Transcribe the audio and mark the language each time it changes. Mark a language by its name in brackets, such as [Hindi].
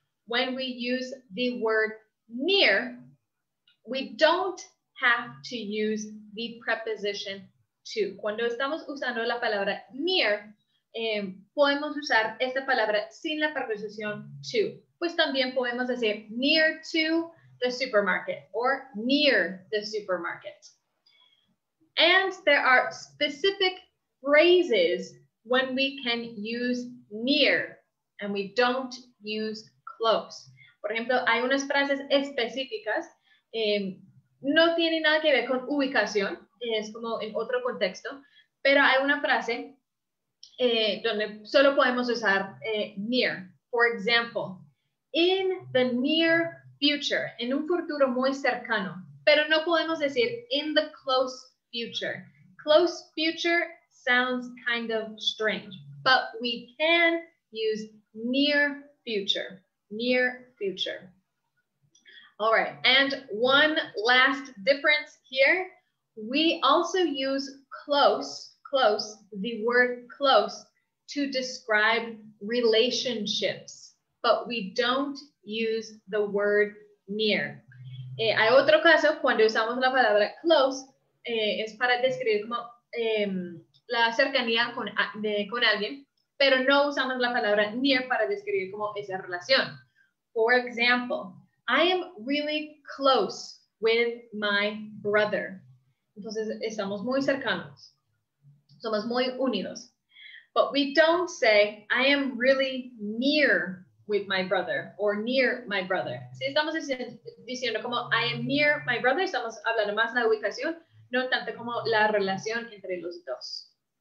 [English] When we use the word near, we don't have to use the preposition to. [Spanish] Cuando estamos usando la palabra near, podemos usar esta palabra sin la preposición to. Pues también podemos decir [English] near to the supermarket or near the supermarket. And there are specific phrases when we can use near and we don't use close. [Spanish] Por ejemplo, hay unas frases específicas, no tiene nada que ver con ubicación, es como en otro contexto, pero hay una frase donde solo podemos usar near. [English] For example, in the near future, [Spanish] en un futuro muy cercano, pero no podemos decir [English] in the close future. Close future sounds kind of strange, but we can use near future. Near future. All right, and one last difference here. We also use close, the word close, to describe relationships, but we don't use the word near. [Spanish] Hay otro caso, cuando usamos la palabra close, es para describir como la cercanía con alguien, pero no usamos la palabra near para describir como esa relación. [English] For example, I am really close with my brother. [Spanish] Entonces, estamos muy cercanos. Somos muy unidos. [English] But we don't say, I am really near with my brother or near my brother. [Spanish] Si estamos diciendo como, [English] I am near my brother, [Spanish] estamos hablando más de la ubicación, no tanto como la relación entre los dos.